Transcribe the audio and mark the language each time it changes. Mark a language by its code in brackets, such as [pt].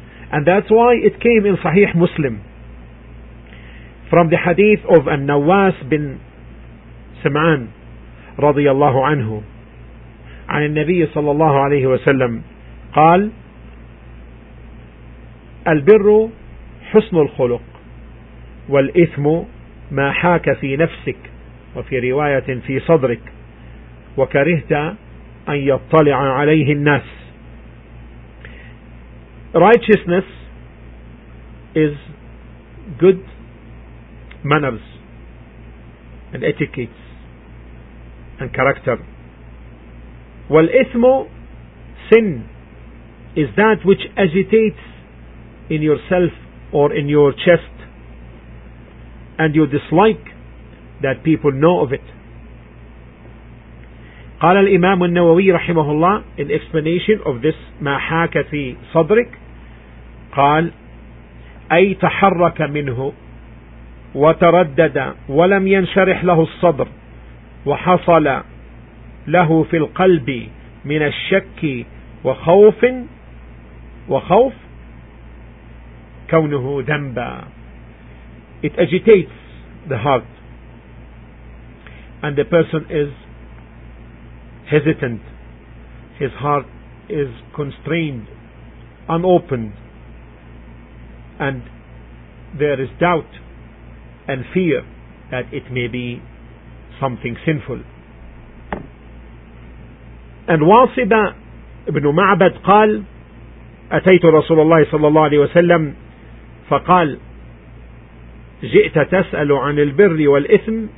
[en] And that's why it came in Sahih Muslim from the hadith of An-Nawas bin Sam'an [ar] رضي الله عنه عن النبي صلى الله عليه وسلم قال البر حسن الخلق والإثم ما حاك في نفسك وفي رواية في صدرك وكرهت أن يطلع عليه الناس. [en] Righteousness is good manners and etiquettes and character. والإثم, sin, is that which agitates in yourself or in your chest, and you dislike that people know of it. [ar] قال الإمام النووي رحمه الله [en] in explanation of this [ar] ما حاك في صدرك قال أي تحرك منه وتردد ولم ينشرح له الصدر وحصل له في القلب من الشك وخوف وخوف كونه ذنبا. [en] It agitates the heart and the person is hesitant, his heart is constrained, unopened, and there is doubt and fear that it may be something sinful. [ar] And واصب ابن معبد قال أتيت رسول الله صلى الله عليه وسلم فقال جئت تسأل عن البر والإثم.